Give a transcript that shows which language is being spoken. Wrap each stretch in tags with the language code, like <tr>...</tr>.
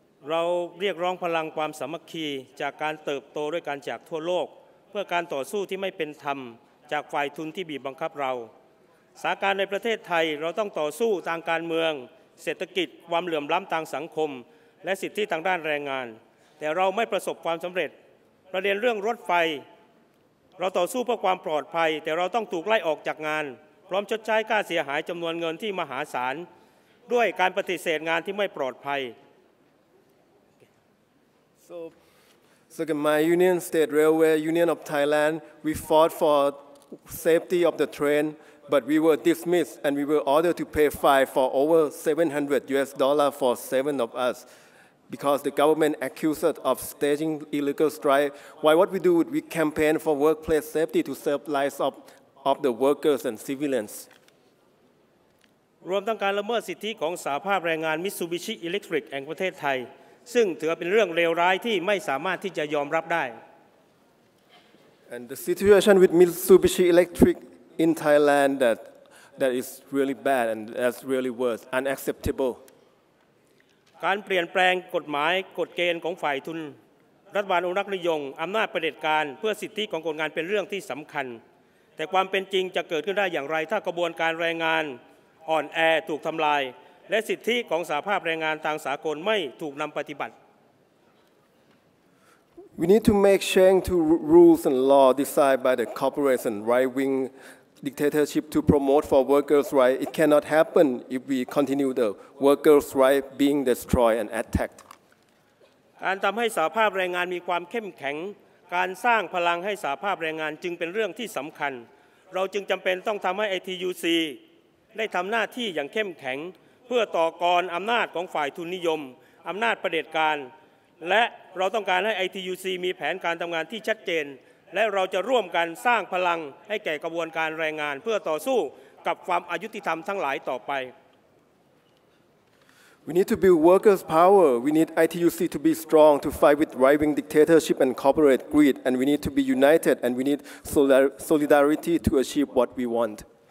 <th>เราเรียกร้องพลังความสามัคคีจากการเติบโตด้วยการจากทั่วโลกเพื่อการต่อสู้ที่ไม่เป็นธรรมจากฝ่ายทุนที่บีบบังคับเราสถานการณ์ในประเทศไทยเราต้องต่อสู้ทางการเมืองเศรษฐกิจความเหลื่อมล้ำทางสังคมและสิทธิทางด้านแรงงานแต่เราไม่ประสบความสำเร็จประเด็นเรื่องรถไฟเราต่อสู้เพื่อความปลอดภัยแต่เราต้องถูกไล่ออกจากงานพร้อมชดใช้ค่าเสียหายจำนวนเงินที่มหาศาลด้วยการปฏิเสธงานที่ไม่ปลอดภัย</th> <en>So my union, State Railway Union of Thailand, we fought for safety of the train, but we were dismissed and we were ordered to pay fine for over $700 for seven of us because the government accused us of staging illegal strike. Why what we do, we campaign for workplace safety to save lives of the workers and civilians.</en> <th>รวมทั้งการละเมิดสิทธิของสหภาพแรงงาน Mitsubishi Electric แห่งประเทศไทยซึ่งถือเป็นเรื่องเลวร้ายที่ไม่สามารถที่จะยอมรับได้</th> <en>And the situation with Mitsubishi Electric in Thailand that is really bad and that's really worse unacceptable</en> <th>การเปลี่ยนแปลงกฎหมายกฎเกณฑ์ของฝ่ายทุนรัฐบาลอนุรักษ์นิยมอำนาจเผด็จการเพื่อสิทธิของคนงานเป็นเรื่องที่สำคัญแต่ความเป็นจริงจะเกิดขึ้นได้อย่างไรถ้ากระบวนการแรงงานอ่อนแอถูกทำลายและสิทธิของสหภาพแรงงานทางสากลไม่ถูกนำปฏิบัติ</th> <en>We need to make change to rules and law decided by the corporates and right wing dictatorship to promote for workers' right. It cannot happen if we continue the workers' right being destroyed and attacked.</en> <th>การทำให้สหภาพแรงงานมีความเข้มแข็งการสร้างพลังให้สหภาพแรงงานจึงเป็นเรื่องที่สำคัญเราจึงจำเป็นต้องทำให้ ITUC ได้ทำหน้าที่อย่างเข้มแข็งเพื่อต่อกรอำนาจของฝ่ายทุนนิยมอำนาจเผด็จการและเราต้องการให้ ITUC มีแผนการทำงานที่ชัดเจนและเราจะร่วมกันสร้างพลังให้แก่กระบวนการแรงงานเพื่อต่อสู้กับความอยุติธรรมทั้งหลายต่อไป</th> <en>We need to build workers power we need ITUC to be strong to fight with rising dictatorship and corporate greed and we need to be united and we need solidarity to achieve what we want</en>